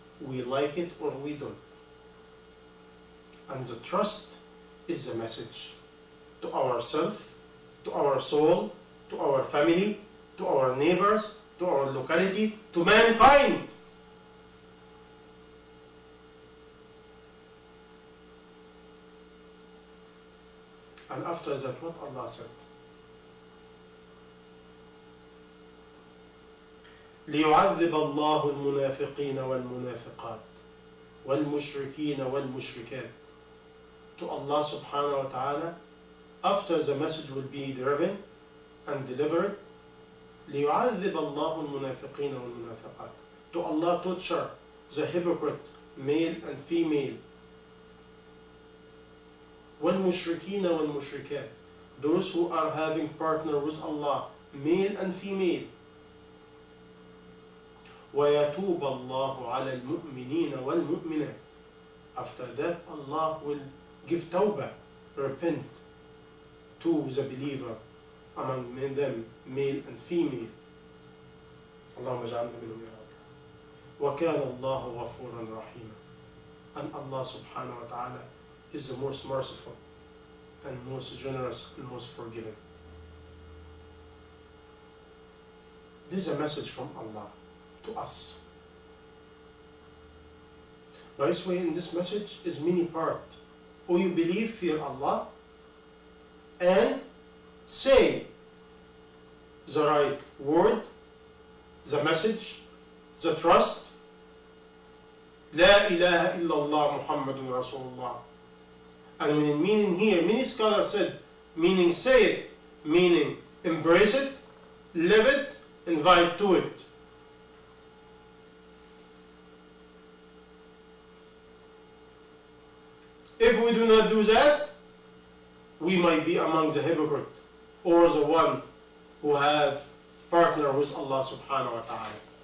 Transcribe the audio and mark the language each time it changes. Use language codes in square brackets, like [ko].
[en] We like it or we don't. And the trust is a message to ourselves, to our soul, to our family, to our neighbors, to our locality, to mankind. And after that, what Allah said? [ar] ليعذب الله المنافقين والمنافقات والمشركين والمشركات. [en] To Allah subhanahu wa ta'ala, after the message will be driven and delivered, [ar] ليعذب الله المنافقين والمنافقات. [en] To Allah torture the hypocrite, male and female. [ar] والمشركين والمشركات. [en] Those who are having partner with Allah, male and female. [ar] ويتوب الله على المؤمنين والمؤمنات. [en] After that, Allah will give tawbah, repent to the believer among them, male and female. [ar] اللهم اجعلنا منهم يا رب. وكان الله غفورا رحيما. [en] And Allah subhanahu wa ta'ala is the most merciful and most generous and most forgiving. This is a message from Allah to us. By this way, in this message is many part. Oh, you believe, fear Allah, and say the right word, the message, the trust. [ar] لا إله إلا الله محمد رسول الله. [en] And when meaning here, many scholars said, meaning say it, meaning embrace it, live it, invite to it. If we do not do that, we might be among the hypocrite or the one who have partner with Allah subhanahu wa ta'ala.